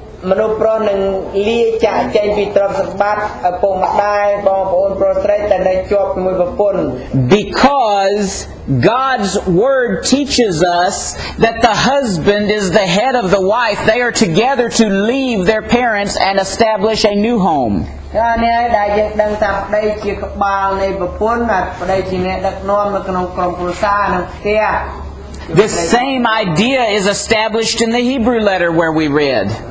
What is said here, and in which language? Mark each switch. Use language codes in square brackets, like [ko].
[km] មនុស្សប្រុសនឹងលាចាកចេញពីទ្រព្យសម្បត្តិឪពុកម្ដាយបងប្អូនប្រុសស្រីតែនៅជាប់ជាមួយប្រពន្ធ [en] Because God's word teaches us that the husband is the head of the wife they are together to leave their parents and establish a new home [km] ហើយអ្នកដែលយើងដឹងថាប្តីជាក្បាលនៃប្រពន្ធហើយប្តីជាអ្នកដឹកនាំនៅក្នុងក្រុមគ្រួសារនិងផ្ទះ [en] This same idea is established in the Hebrew letter where we read.